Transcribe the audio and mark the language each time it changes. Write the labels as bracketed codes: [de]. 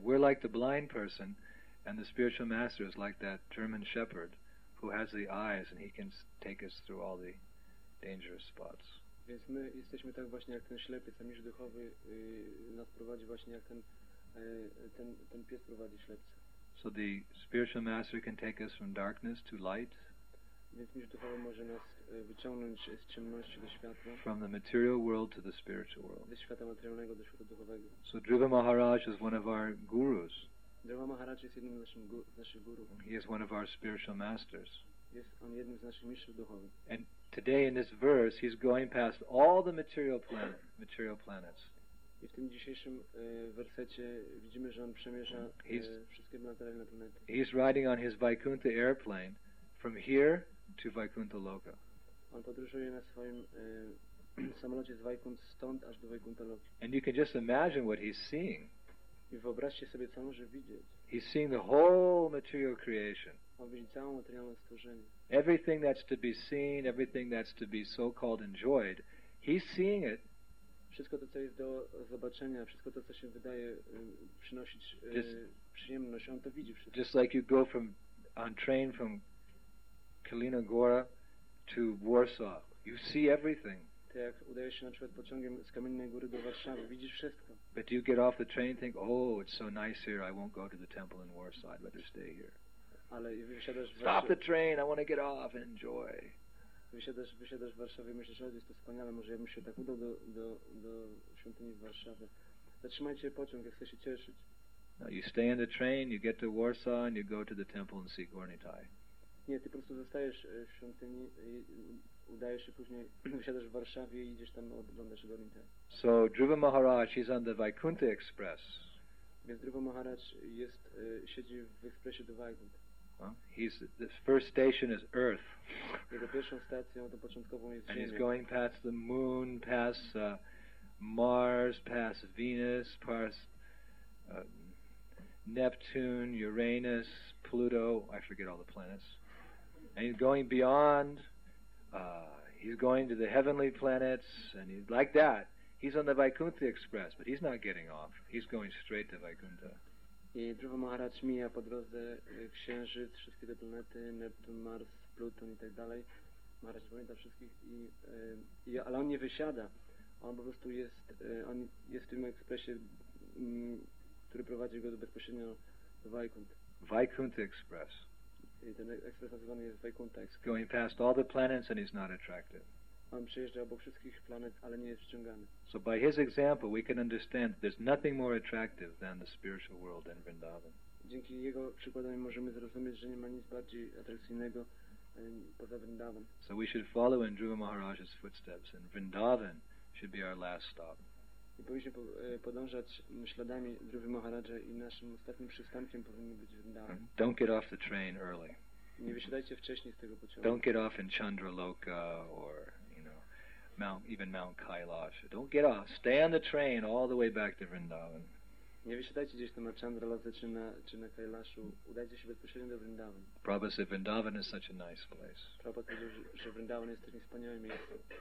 [en] Yeah, we're like the blind person, and the spiritual master is like that German shepherd who has the eyes and he can take us through all the dangerous spots. [pl] Więc my jesteśmy tak właśnie jak ten ślepiec, a mistrz duchowy nas prowadzi właśnie jak ten pies prowadzi ślepca. [en] So the spiritual master can take us from darkness to light. [pl] Więc mistrz duchowy może nas wyciągnąć z ciemności do światła. [en] From the material world to the spiritual world. [pl] Ze świata materialnego do świata duchowego. [en] So Dhruva Maharaj is one of our gurus. [pl] Dhruva Maharaj jest jednym z naszych gurów. [en] He is one of our spiritual masters. [pl] Jest on jednym z naszych mistrzów duchowych. [en] And today in this verse he's going past all the material planets. [pl] I w tym dzisiejszym wersecie widzimy, że on przemierza wszystkie materialne planety. [en] He's riding on his Vaikuntha airplane from here to Vaikuntha Loka. [pl] On podróżuje na swoim samolocie z Vaikunth stąd aż do Vaikuntha Loki. [en] And you can just imagine what he's seeing. [pl] I wyobraźcie sobie, co może widzieć. [en] He's seeing the whole material creation. [pl] On widzi całe materialne stworzenie. [en] Everything that's to be seen, everything that's to be so-called enjoyed, he's seeing it. [pl] Wszystko to, co jest do zobaczenia, wszystko to, co się wydaje przynosić przyjemność, on to widzi wszystko. [en] Just like you go from on train from Kalinogora to Warsaw, you see everything. [pl] Tak jak udajesz się na przykład pociągiem z Kamiennej Góry do Warszawy, widzisz wszystko. [en] But do you get off the train and think, oh, it's so nice here, I won't go to the temple in Warsaw, I'd better stay here. [pl] Ale wysiadasz w [en] Warszawie. Stop the train, I want to get off and enjoy. [pl] Wysiadasz w Warszawie, myślisz, że jest to wspaniale, może ja bym się tak udał do świątyni w Warszawie. Zatrzymajcie pociąg, ja chcę się cieszyć. [en] No, you stay in the train, you get to Warsaw and you go to the temple and see Gornitai. [pl] Nie, ty po prostu zostajesz w świątyni, udajesz się później, wysiadasz w Warszawie i idziesz tam oglądasz Gornitai. [en] So Dhruva Maharaj is on the Vaikuntha Express. [pl] Więc Dhruva Maharaj jest, siedzi w ekspresie do Vaikuntha. [en] He's the first station is Earth. [pl] Jego pierwszą stacją, tą początkową jest Ziemia. [en] And he's going past the Moon, past Mars, past Venus, past Neptune, Uranus, Pluto. I forget all the planets. And he's going beyond. He's going to the heavenly planets, and he's like that. He's on the Vaikuntha Express, but he's not getting off. He's going straight to Vaikuntha. [pl] I Dhruva Maharaj mija po drodze Księżyc, wszystkie te planety, Neptun, Mars, Pluton i tak dalej. Maharaj pamięta wszystkich, ale on nie wysiada. On po prostu jest w tym ekspresie, który prowadzi go bezpośrednio do Vaikuntha. [en] Vaikuntha Express. [pl] I ten ekspres nazywany jest Vaikuntha Express. [en] Going past all the planets and he's not attracted. [pl] On przejeżdża obok wszystkich planet, ale nie jest przyciągany. [en] So by his example we can understand that there's nothing more attractive than the spiritual world than Vrindavan. [pl] Dzięki jego przykładowi możemy zrozumieć, że nie ma nic bardziej atrakcyjnego poza Vrindavan. [en] So we should follow in Dhruva Maharaj's footsteps and Vrindavan should be our last stop. [pl] I powinniśmy podążać śladami Dhruvy Maharaja i naszym ostatnim przystankiem powinien być Vrindavan. [en] Don't get off the train early. [pl] Nie wysiadajcie wcześniej z tego pociągu. [en] Don't get off in Chandraloka or even Mount Kailash. Don't get off. Stay on the train all the way back to Vrindavan. [pl] Nie wysiadajcie gdzieś tam na Chandralokę czy na Kailashu. Udajcie się bezpośrednio do Vrindavan. [en] Prabhupada said Vrindavan is such a nice place. [pl] Prabhupada powiedział, że Vrindavan jest takim wspaniałym miejscem.